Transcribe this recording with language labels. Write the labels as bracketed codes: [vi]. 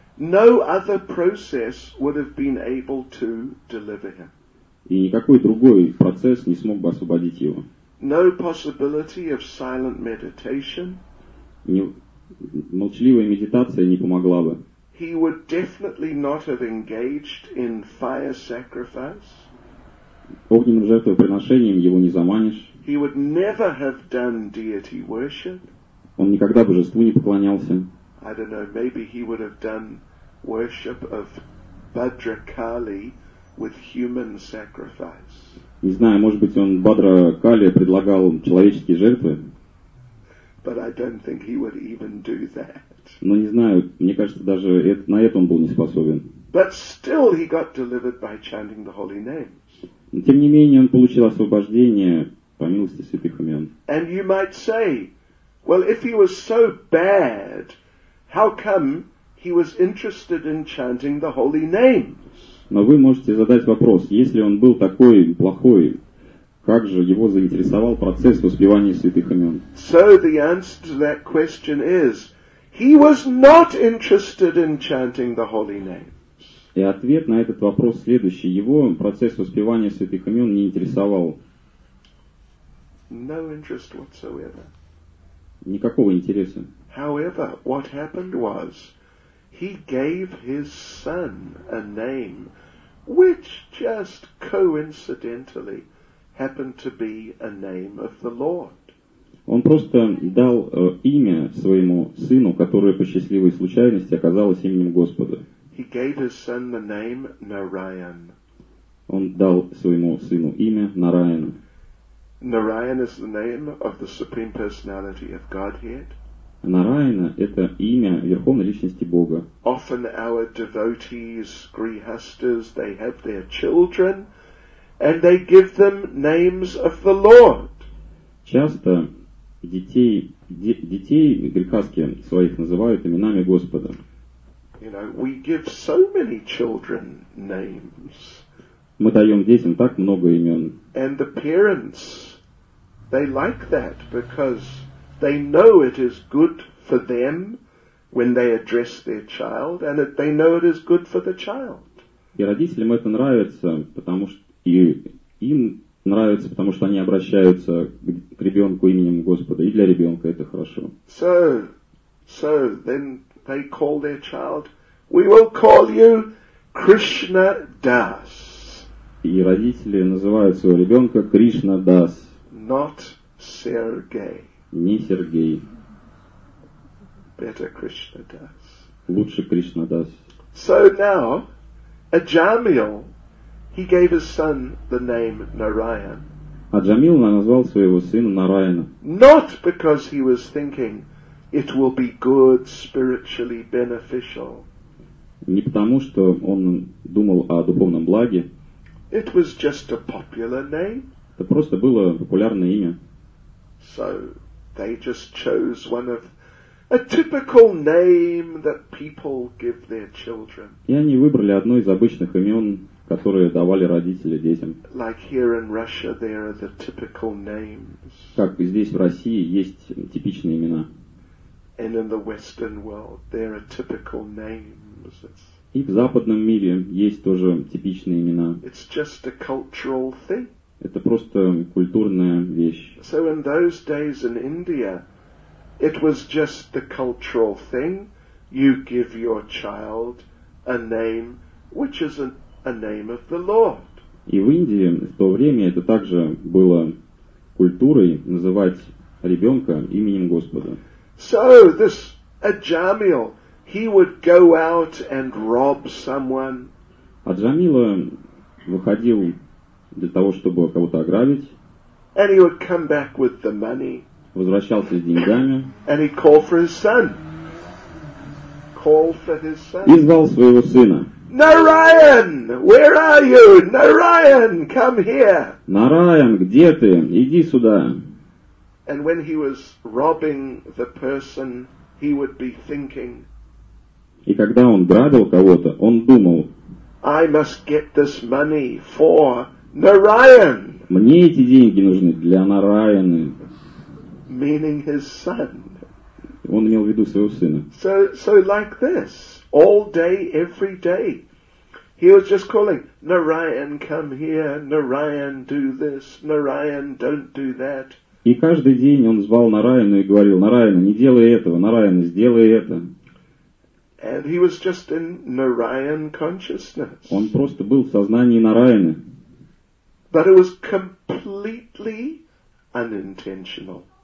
[en] No other process would have been able to deliver him. [ru] И никакой другой процесс не смог бы освободить его. [en] No possibility of silent meditation. [ru] Молчаливая медитация не помогла бы. [en] He would definitely not have engaged in fire sacrifice. [ru] Огненным жертвоприношением его не заманишь. [en] He would never have done deity worship. [ru] Он никогда божеству не поклонялся. [en] I don't know, maybe he would have done worship of Bhadrakali with human sacrifice. [ru] Не знаю, может быть, он Бхадракали предлагал человеческие жертвы. [en] But I don't think he would even do that. [ru] Но не знаю, мне кажется, даже на это он был не способен. [en] But still he got delivered by chanting the holy names. [ru] Но тем не менее он получил освобождение по милости святых имен. [en] And you might say, well, if he was so bad, how come he was interested in chanting the holy names? [ru] Но вы можете задать вопрос, если он был такой плохой, как же его заинтересовал процесс воспевания святых имен? [en] So the answer to that question is, he was not interested in chanting the holy names. [ru] И ответ на этот вопрос следующий. Его процесс воспевания святых имен не интересовал. [en] No interest whatsoever. [ru] Никакого интереса. [en] However, what happened was, he gave his son a name, which just coincidentally happened to be a name of the Lord. [ru] Он просто дал имя своему сыну, которое по счастливой случайности оказалось именем Господа. [en] He gave his son the name Narayan. [ru] Он дал своему сыну имя Нараян. [en] Narayan is the name of the Supreme Personality of Godhead. [ru] Нараяна — это имя Верховной Личности Бога. [en] Often our devotees, grihasthas, they have their children, and they give them names of the Lord. [ru] Часто детей грихасхи своих называют именами Господа. [en] You know, we give so many children names. [ru] Мы даем детям так много имен. [en] And the parents, they like that because they know it is good for them when they address their child, and that they know it is good for the child. [ru] И родителям это нравится, потому что им нравится, потому что они обращаются к ребенку именем Господа, и для ребенка это хорошо. [en] So then they call their child. We will call you Krishna Das. [ru] И родители называют своего ребенка Кришна Дас. [en] Not Sergei. [ru] Не Сергей. [en] Better Krishna Das. [ru] Лучше Кришна Дас. [en] So now, Ajamil, he gave his son the name Narayan. [ru] Аджамил назвал своего сына Нараяна. [en] Not because he was thinking it will be good spiritually beneficial. [ru] Не потому, что он думал о духовном благе. [en] It was just a popular name. [ru] Это просто было популярное имя. [en] So they just chose one of a typical name that people give their children. [ru] И они выбрали одно из обычных имен, которые давали родители детям. [en] Like here in Russia, there are the typical names. [ru] Как здесь в России есть типичные имена. [en] And in the Western world, there are typical names. [ru] И в западном мире есть тоже типичные имена. [en] It's just a cultural thing. [ru] Это просто культурная вещь. [en] So in those days in India, it was just the cultural thing. You give your child a name which is a name of the Lord. [ru] И в Индии в то время это также было культурой называть ребенка именем Господа. [en] So this Аджамил, he would go out and rob someone. [ru] Аджамила выходил для того, чтобы кого-то ограбить. [en] And he would come back with the money. [ru] Возвращался с деньгами. [en] And he'd call for his son. Call for his son. [ru] И звал своего сына. [en] Narayan, where are you? Narayan, come here. [ru] Narayan, где ты? Иди сюда. [en] And when he was robbing the person, he would be thinking. [ru] И когда он грабил кого-то, он думал. [en] I must get this money for Narayan. [ru] Мне эти деньги нужны для Нараяны. [en] Meaning his son. [ru] Он имел в виду своего сына. [en] So like this, all day, every day. He was just calling, Narayan, come here, Narayan, do this, Narayan, don't do that. [ru] И каждый день он звал Нараяну и говорил, Нараяна, не делай этого, Нараяна, сделай это. [en] And he was just in Narayan consciousness. [ru] Он просто был в сознании Нараяны. [en] But it was completely unintentional.